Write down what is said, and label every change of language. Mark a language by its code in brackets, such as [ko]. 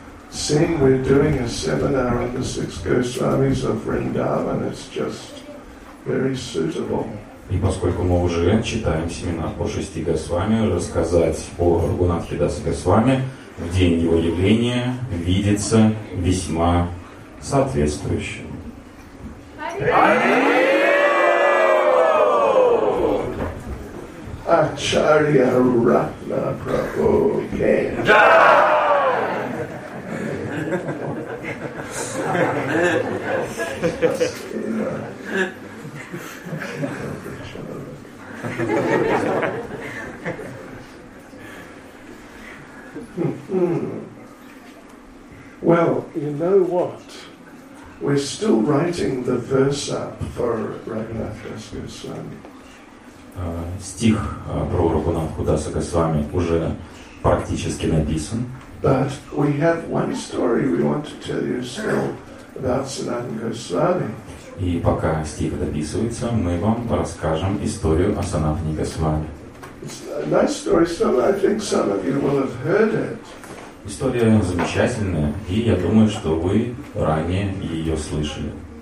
[en] Seeing we're doing a seminar on the six Goswamis of Vrindavan, it's just very suitable. [ru] И поскольку мы уже читаем семинар по шести Госвами, рассказать о Рагунатхе Дасе Госвами в день его явления видится весьма соответствующим. [en] Hari! Acharya Ratna Prabhu came. Well, you know what? We're still writing the verse up for Raghunath Das Goswami. [ru] Стих про Рагунатху Даса Госвами уже практически написан. [en] But we have one story we want to tell you still about Sanatana Goswami. [ru] И пока стих дописывается, мы вам расскажем историю о Санатане Госвами. [en] It's a nice story, so I think some of you will have heard it. [ru] История замечательная, и я думаю, что вы ранее ее слышали.